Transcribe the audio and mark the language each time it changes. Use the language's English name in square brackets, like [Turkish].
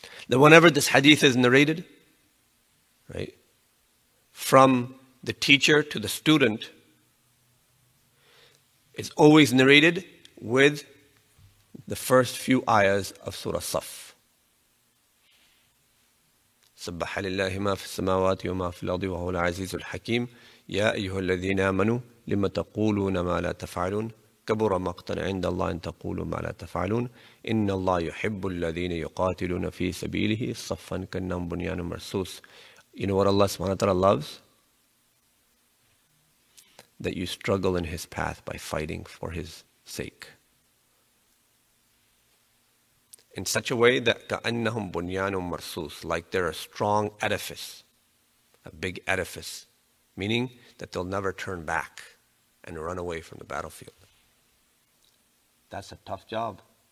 [English] That whenever this hadith is narrated, right, from the teacher to the student, it's always narrated with the first few ayahs of Surah Saf. [Arabic] سبح لله ما في السماوات وما في الأرض وهو العزيز الحكيم يا أيها الذين آمنوا لما تقولون ما لا تفعلون كبر مقتا عند الله أن تقولوا ما لا تفعلون إن الله يحب الذين يقاتلون في سبيله صفا كأنهم بنيان مرصوص. [English] You know what Allah subhanahu wa ta'ala loves? That you struggle in His path by fighting for His sake. In such a way that [Arabic] كَأَنَّهُمْ بُنْيَانٌ مَرْسُوسٌ, [English] like they're a strong edifice, a big edifice, meaning that they'll never turn back and run away from the battlefield. That's a tough job.